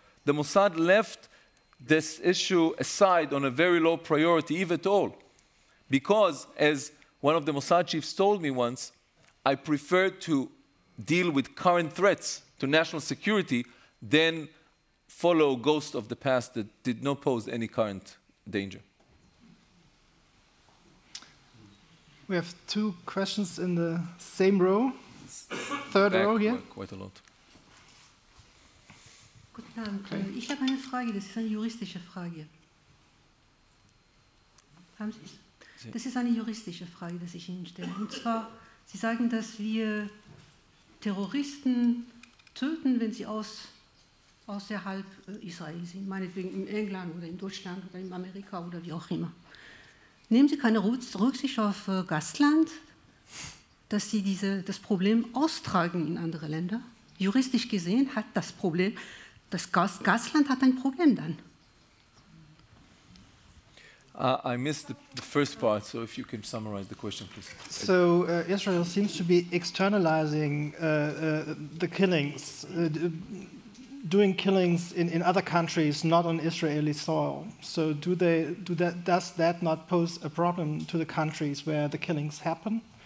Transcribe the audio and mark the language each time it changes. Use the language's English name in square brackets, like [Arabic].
[English] The Mossad left this issue aside on a very low priority, if at all, because, as one of the Mossad chiefs told me once, "I prefer to deal with current threats to national security than follow ghosts of the past that did not pose any current danger." We have two questions in the same row, third back row here. Quite a lot. [German] Guten Ich habe eine Frage, das ist eine juristische Frage. Haben Sie? Das ist eine juristische Frage, die ich Ihnen stelle. Und zwar, Sie sagen, dass wir Terroristen töten, wenn sie außerhalb Israel sind, meinetwegen in England oder in Deutschland oder in Amerika oder wie auch immer. Nehmen Sie keine Rücksicht auf Gastland, dass Sie das Problem austragen in andere Länder? Juristisch gesehen hat das Problem, das Gastland hat ein Problem dann. [English] I missed the first part, so if you can summarize the question, please. So Israel seems to be externalizing the killings, doing killings in other countries, not on Israeli soil. So does that not pose a problem to the countries where the killings happen?